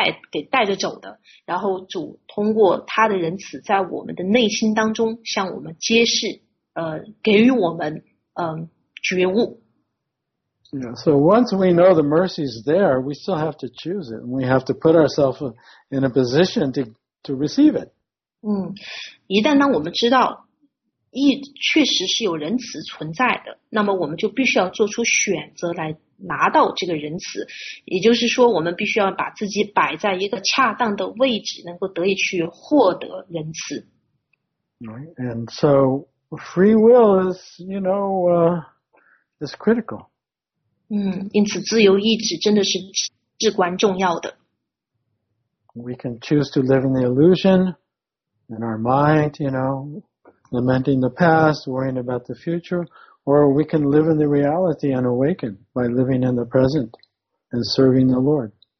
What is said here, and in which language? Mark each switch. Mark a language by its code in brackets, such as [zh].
[zh] 给带着走的，然后主通过他的仁慈在我们的内心当中向我们揭示，给予我们觉悟。 [en] Yeah, so once we know the mercy is there, we still have to choose it, and we have to put ourselves in a position to receive it. [zh] 一旦我们知道确实是有仁慈存在的, 那么我们就必须要做出选择来拿到这个仁慈, 也就是说我们必须要把自己摆在一个恰当的位置, 能够得以去获得仁慈。 [en] Right, and so free will is, you know, is critical. [zh] 因此自由意志真的是至关重要的。 [en] We can choose to live in the illusion, in our mind, you know, lamenting the past, worrying about the future, or we can live in the reality and awaken by living in the present and serving the Lord.